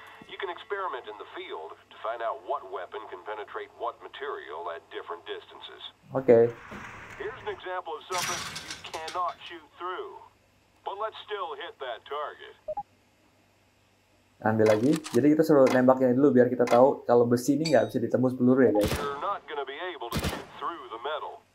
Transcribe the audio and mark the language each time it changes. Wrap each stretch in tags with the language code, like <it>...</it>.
<en>You can experiment in the field to find out what weapon can penetrate what material at different distances. Okay. Here's an example of something you cannot shoot through. But let's still hit that target.</en> <id>Ambil lagi. Jadi kita suruh nembaknya dulu biar kita tahu kalau besi ini nggak bisa ditembus peluru ya, guys.</id> <en>You're not gonna be able to shoot through the metal.</en>